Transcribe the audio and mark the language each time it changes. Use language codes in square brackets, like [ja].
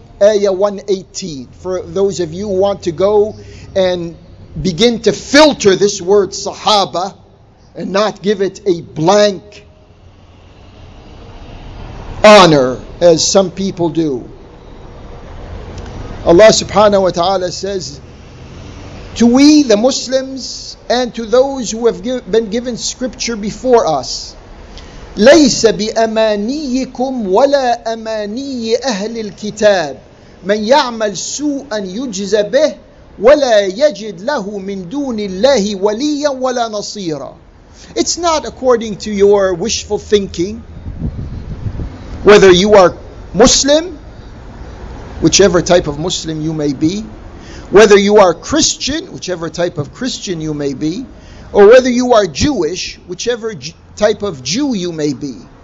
[en] Ayah 118. For those of you who want to go and begin to filter this word Sahaba and not give it a blank honor as some people do. Allah subhanahu wa ta'ala says, to we, the Muslims, and to those who have been given scripture before us, [ar] لَيْسَ بِأَمَانِيِّكُمْ وَلَا أَمَانِيِّ أَهْلِ الْكِتَابِ مَنْ يَعْمَلْ سُوءًا يُجْزَ بِهِ وَلَا يَجِدْ لَهُ مِنْ دُونِ اللَّهِ وَلِيًّا وَلَا نَصِيرًا. [en] It's not according to your wishful thinking, whether you are Muslim, whichever type of Muslim you may be, whether you are Christian, whichever type of Christian you may be, or whether you are Jewish, whichever type of Jew you may be.